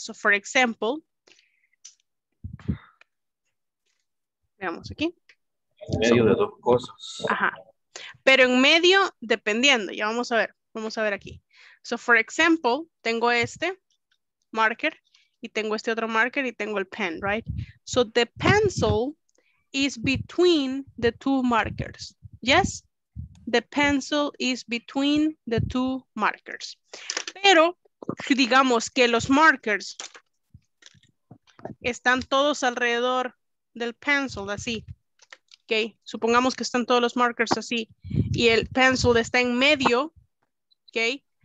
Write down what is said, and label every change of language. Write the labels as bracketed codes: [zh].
[en] So, for example, [es] veamos aquí. En medio de dos cosas. Ajá. Pero en medio, dependiendo, ya vamos a ver. Vamos a ver aquí. [en] So, for example, [es] tengo este marker y tengo este otro marker y tengo el pen, right? [en] So, the pencil is between the two markers. Yes? The pencil is between the two markers. [es] Pero, digamos que los markers están todos alrededor del pencil, así. Okay. Supongamos que están todos los markers así y el pencil está en medio. Okay.